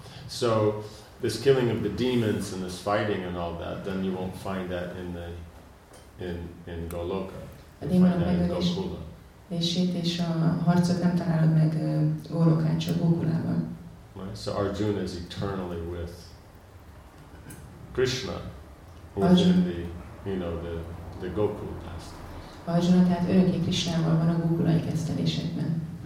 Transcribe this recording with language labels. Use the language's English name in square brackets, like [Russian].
[English] So this killing of the demons and this fighting and all that, then you won't find that in the in Goloka. [Hungarian] A démonok megölését és a harcot nem találod meg Golokán, csak Gokulában. [English] Right. So Arjuna is eternally with Krishna, the Gokula pastime. [Hungarian] Arjuna tehát örökké Krishnával van a Gokulai kezdelésekben.